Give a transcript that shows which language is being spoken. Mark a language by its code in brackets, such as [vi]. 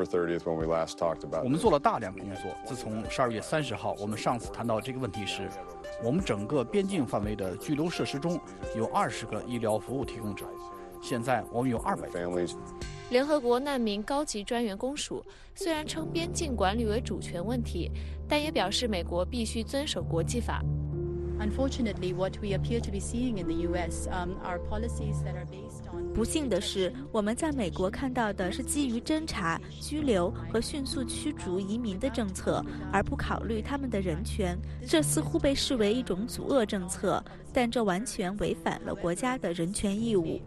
[zh] 我们做了大量工作，自从12月30号我们上次谈到这个问题时，我们整个边境范围的拘留设施中有20个医疗服务提供者，现在我们有200个。联合国难民高级专员公署虽然称边境管理为主权问题，但也表示美国必须遵守国际法。 [en] Unfortunately, what we appear to be seeing in the U.S. Are policies that are based on. [zh] 不幸的是，我们在美国看到的是基于侦查、拘留和迅速驱逐移民的政策，而不考虑他们的人权。这似乎被视为一种阻遏政策，但这完全违反了国家的人权义务。